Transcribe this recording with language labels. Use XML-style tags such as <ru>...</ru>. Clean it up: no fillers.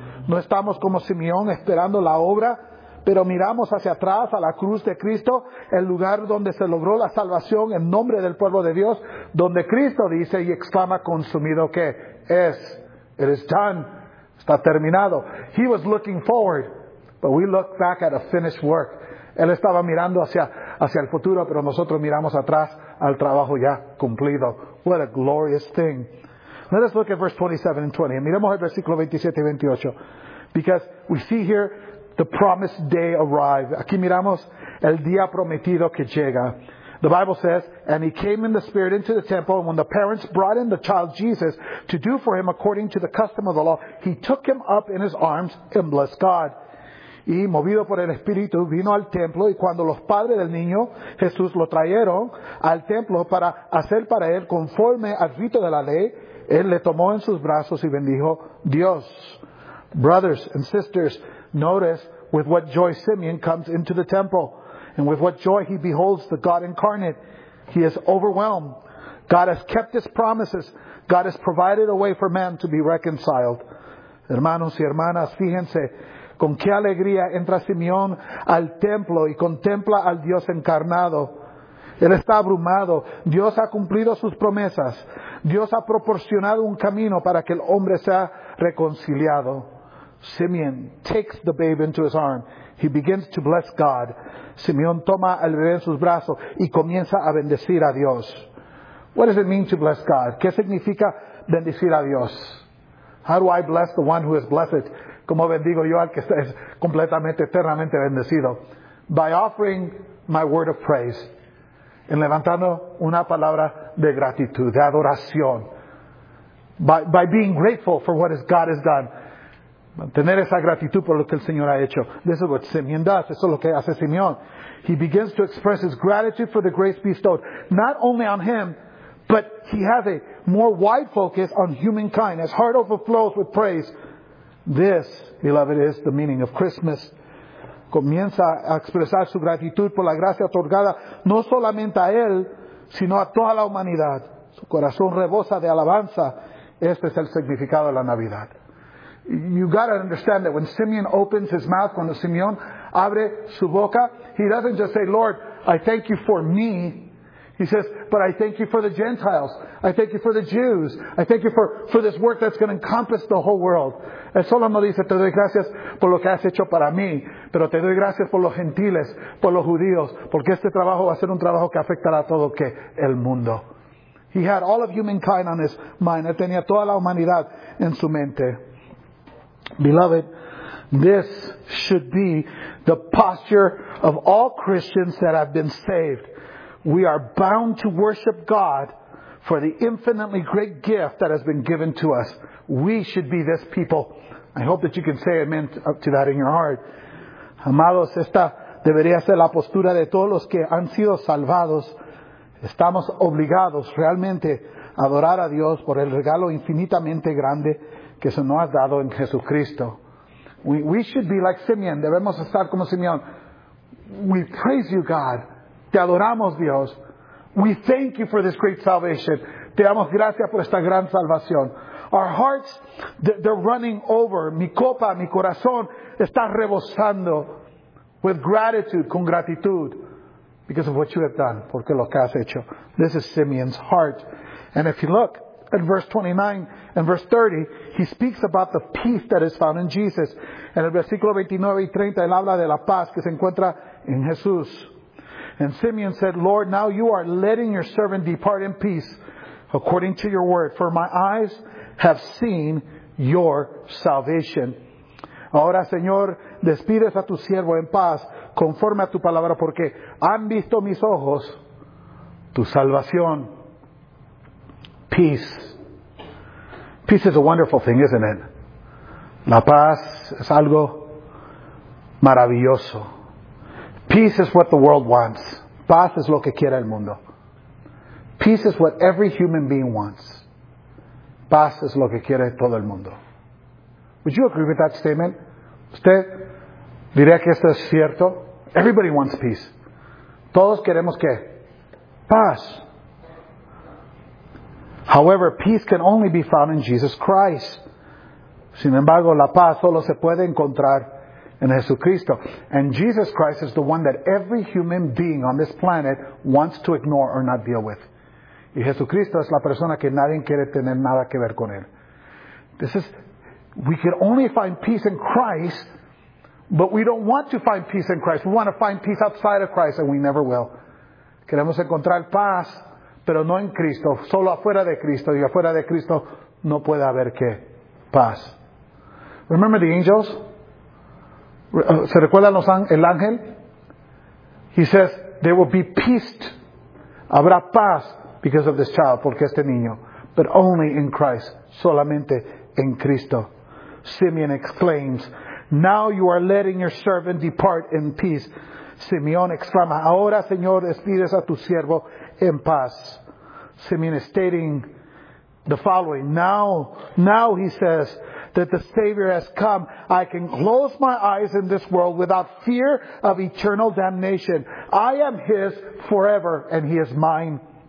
<es>No estamos como Simeón esperando la obra, pero miramos hacia atrás a la cruz de Cristo, el lugar donde se logró la salvación en nombre del pueblo de Dios, donde Cristo dice y exclama consumido que es.</es> <en>It is done.</en> <es>Está terminado.</es> <en>He was looking forward, but we look back at a finished work.</en> <es>Él estaba mirando hacia el futuro, pero nosotros miramos atrás al trabajo ya cumplido.</es> <en>What a glorious thing. Let us look at verse 27 and 20.</en> <es>Miremos el versículo 27 y 28.</es> <en>Because we see here the promised day arrive.</en> <es>Aquí miramos el día prometido que llega.</es> <en>The Bible says, and he came in the spirit into the temple, and when the parents brought in the child Jesus to do for him according to the custom of the law, he took him up in his arms and blessed God.</en> <es>Y movido por el Espíritu, vino al templo, y cuando los padres del niño Jesús lo trajeron al templo para hacer para él conforme al rito de la ley, él le tomó en sus brazos y bendijo Dios.</es> <en>Brothers and sisters, notice with what joy Simeon comes into the temple, and with what joy he beholds the God incarnate. He is overwhelmed. God has kept his promises. God has provided a way for man to be reconciled.</en> <es>Hermanos y hermanas, fíjense. Con qué alegría entra Simeón al templo y contempla al Dios encarnado. Él está abrumado. Dios ha cumplido sus promesas. Dios ha proporcionado un camino para que el hombre sea reconciliado.</es> <en>Simeon takes the babe into his arm. He begins to bless God.</en> <es>Simeón toma al bebé en sus brazos y comienza a bendecir a Dios.</es> <en>What does it mean to bless God?</en> <es>¿Qué significa bendecir a Dios?</es> <en>How do I bless the one who is blessed?</en> <es>¿Cómo bendigo yo al que es completamente, eternamente bendecido?</es> <en>By offering my word of praise.</en> <es>En levantando una palabra de gratitud, de adoración.</es> <en>By being grateful for what God has done.</en> <es>Mantener esa gratitud por lo que el Señor ha hecho.</es> <en>This is what Simeon does.</en> <es>Eso es lo que hace Simeon.</es> <en>He begins to express his gratitude for the grace bestowed. Not only on him, but he has a more wide focus on humankind. His heart overflows with praise. This, beloved, is the meaning of Christmas.</en> <es>Comienza a expresar su gratitud por la gracia otorgada, no solamente a él, sino a toda la humanidad. Su corazón rebosa de alabanza. Este es el significado de la Navidad.</es> <en>You got to understand that when Simeon opens his mouth,</en> <es>cuando Simeon abre su boca,</es> <en>he doesn't just say, Lord, I thank you for me. He says, but I thank you for the Gentiles. I thank you for the Jews. I thank you for this work that's going to encompass the whole world.</en> <es>Él solo no dice, te doy gracias por lo que has hecho para mí, pero te doy gracias por los gentiles, por los judíos, porque este trabajo va a ser un trabajo que afectará a todo que el mundo.</es> <en>He had all of humankind on his mind.</en> <es>Él tenía toda la humanidad en su mente.</es> <en>Beloved, this should be the posture of all Christians that have been saved. We are bound to worship God for the infinitely great gift that has been given to us. We should be this people. I hope that you can say amen to that in your heart.</en> <es>Amados, esta debería ser la postura de todos los que han sido salvados. Estamos obligados realmente a adorar a Dios por el regalo infinitamente grande que se nos ha dado en Jesucristo.</es> <en>We should be like Simeon.</en> <es>Debemos estar como Simeon.</es> <en>We praise you, God.</en> <es>Te adoramos, Dios.</es> <en>We thank you for this great salvation.</en> <es>Te damos gracias por esta gran salvación.</es> <en>Our hearts, they're running over.</en> <es>Mi copa, mi corazón, está rebosando</es> <en>with gratitude,</en> <es>con gratitud.</es> <en>Because of what you have done,</en> <es>porque lo que has hecho.</es> <en>This is Simeon's heart. And if you look at verse 29 and verse 30, he speaks about the peace that is found in Jesus.</en> <es>En el versículo 29 y 30, él habla de la paz que se encuentra en Jesús.</es> <en>And Simeon said, Lord, now you are letting your servant depart in peace according to your word. For my eyes have seen your salvation.</en> <es>Ahora, Señor, despides a tu siervo en paz, conforme a tu palabra, porque han visto mis ojos tu salvación.</es> <en>Peace. Peace is a wonderful thing, isn't it?</en> <es>La paz es algo maravilloso.</es> <en>Peace is what the world wants.</en> <es>Paz es lo que quiere el mundo.</es> <en>Peace is what every human being wants.</en> <es>Paz es lo que quiere todo el mundo.</es> <en>Would you agree with that statement?</en> <es>¿Usted diría que esto es cierto?</es> <en>Everybody wants peace.</en> <es>¿Todos queremos qué? Paz.</es> <en>However, peace can only be found in Jesus Christ.</en> <es>Sin embargo, la paz solo se puede encontrar en Jesucristo.</es> <en>And Jesus Christ is the one that every human being on this planet wants to ignore or not deal with.</en> <es>Y Jesucristo es la persona que nadie quiere tener nada que ver con él.</es> <en>We can only find peace in Christ, but we don't want to find peace in Christ. We want to find peace outside of Christ, and we never will.</en> <es>Queremos encontrar paz, pero no en Cristo, solo afuera de Cristo. Y afuera de Cristo no puede haber qué paz.</es> <en>Remember the angels?</en> <es>¿Se recuerdan el ángel?</es> <en>He says, there will be peace.</en> <es>Habrá paz</es> <en>because of this child,</en> <es>porque este niño.</es> <en>But only in Christ,</en> <es>solamente en Cristo.</es> <en>Simeon exclaims, now you are letting your servant depart in peace.</en> <es>Simeon exclama, ahora Señor despides a tu siervo en paz.</es> <en>Simeon is stating the following. Now he says that the Savior has come. I can close my eyes in this world without fear of eternal damnation. I am his forever and he is mine.</en>